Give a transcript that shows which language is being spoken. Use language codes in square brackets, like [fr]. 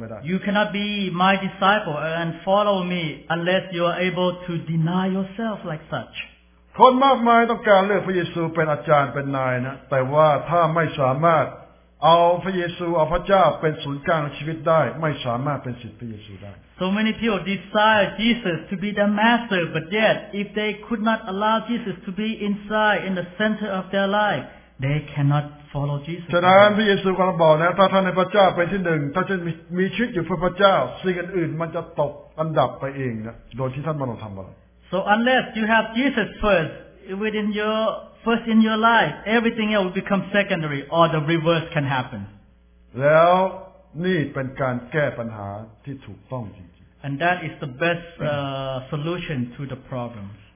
[en] You cannot be my disciple and follow me unless you are able to deny yourself like such. [th] คนมากมายต้องการเลือกพระเยซูเป็นอาจารย์เป็นนายนะแต่ว่าถ้าไม่สามารถเอาพระเยซูเอาพระเจ้าเป็นศูนย์กลางชีวิตได้ไม่สามารถเป็นศิษย์พระเยซูได้ [en] So many people desire Jesus to be their master, but yet if they could not allow Jesus to be inside in the center of their life, they cannot. Follow Jesus. [th] ฉะนั้นพระเยซูกำลังบอกนะถ้าท่านในพระเจ้าเป็นที่หนึ่งถ้าท่านมีชีวิตอยู่เพื่อพระเจ้าสิ่งอื่นๆมันจะตกอันดับไปเองนะโดยที่ท่านมันทำอะไร [en] So unless you have Jesus first in your life, everything else will become secondary or the reverse can happen. [th] แล้วนี่เป็นการแก้ปัญหาที่ถูกต้องจริง [en] ๆ And that is the best solution to the problem.